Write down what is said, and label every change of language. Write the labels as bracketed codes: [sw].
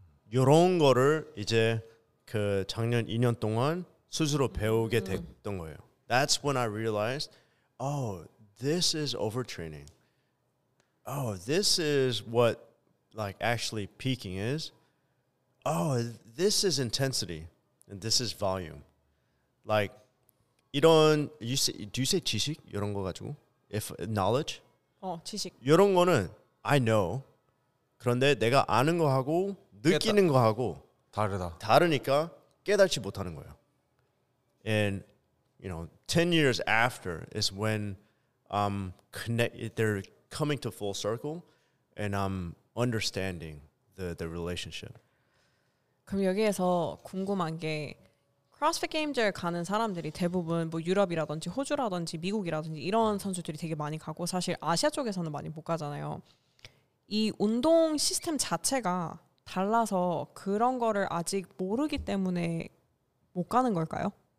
[ko] 이런 거를 이제 그 작년 2년 동안 스스로 배우게 됐던 거예요. [en] That's when I realized, oh, this is overtraining. Oh, this is what like actually peaking is. Oh, this is intensity and this is volume. Like 이런 you say, do you say [ko] 지식 이런 거 가지고 [en] if knowledge? [ko] 어, 지식. 이런 거는 [en] I know. [ko] 그런데 내가 아는 거 하고 느끼는 거 하고 다르다. 다르니까 깨달지 못하는 거예요. [en] And you know, 10 years after is when I'm connected. They're coming to full circle, and I'm understanding the relationship. [ko] 그럼 여기에서 궁금한 게 CrossFit Games에 가는 사람들이 대부분 뭐 유럽이라든지 호주라든지 미국이라든지 이런 선수들이 되게 많이 가고 사실 아시아 쪽에서는 많이 못 가잖아요. 이 운동 시스템 자체가 달라서 그런 거를 아직 모르기 때문에 못 가는 걸까요?